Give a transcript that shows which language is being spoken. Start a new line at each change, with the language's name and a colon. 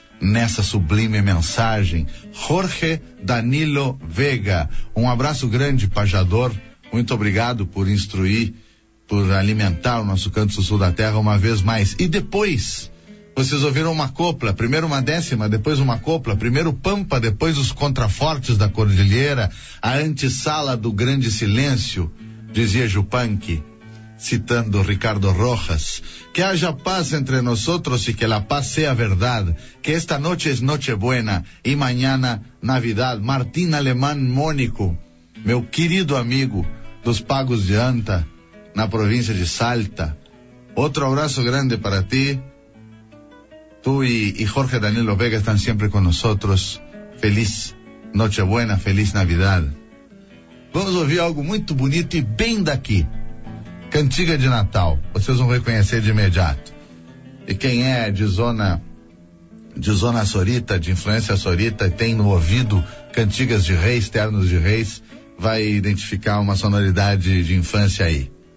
Portuguese: Nessa sublime mensagem, Jorge Danilo Vega, um abraço grande, pajador, muito obrigado por instruir, por alimentar o nosso Canto do Sul da Terra uma vez mais. E depois, vocês ouviram uma copla, primeiro uma décima, depois uma copla, primeiro pampa, depois os contrafortes da cordilheira, a antessala do grande silêncio, dizia Jupanqui.
Spanish: citando Ricardo Rojas, que haya paz entre nosotros y que la paz sea verdad, que esta noche es Nochebuena y mañana Navidad.
Portuguese: Martín Alemán Mónico, meu querido amigo dos Pagos de Anta, na província de Salta.
Spanish: Otro abrazo grande para ti. Tú y Jorge Danilo Vega están siempre con nosotros. Feliz Nochebuena, feliz Navidad.
Portuguese: Vamos ouvir algo muito bonito e bem daqui. Cantiga de Natal. Vocês vão reconhecer de imediato. E quem é de zona sorita, de influência sorita, e tem no ouvido cantigas de reis, ternos de reis, vai identificar uma sonoridade de infância aí.